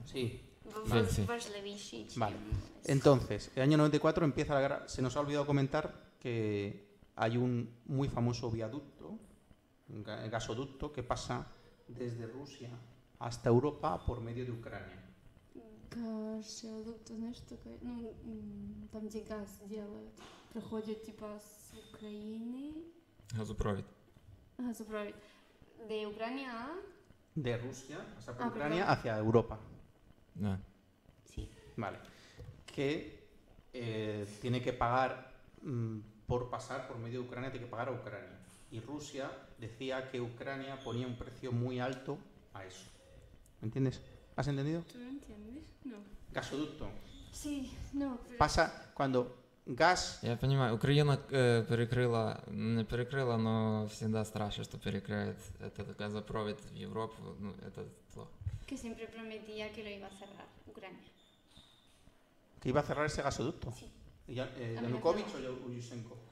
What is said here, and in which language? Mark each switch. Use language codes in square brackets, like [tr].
[es] Sí. Sí. Vale. Entonces, el año 94 empieza la guerra. Se nos ha olvidado comentar que hay un muy famoso viaducto gasoducto que pasa desde Rusia hasta Europa por medio de Ucrania. [ru] Gasoducto, знаешь, такой, ну, там где газ делают, проходит типа с Украины. Газопровод. [es] Газопровод. De Ucrania. De Rusia, pasa por Ucrania perdón. Hacia Europa. No. Sí. Vale. Que tiene que pagar por pasar por medio de Ucrania, tiene que pagar a Ucrania. Y Rusia decía que Ucrania ponía un precio muy alto a eso. ¿Me entiendes? ¿Has entendido? ¿Tú lo entiendes? No. Gasoducto. Sí, no. Pero... Pasa cuando gas. [ru] Я понимаю, Украина перекрыла, не перекрыла, но всегда страшно, что перекроет этот газопровод в Европу, ну, это зло. [es] Que siempre prometía que lo iba a cerrar Ucrania. Que iba a cerrar ese gasoducto. Sí. ¿Y Yanukovych o Yushchenko?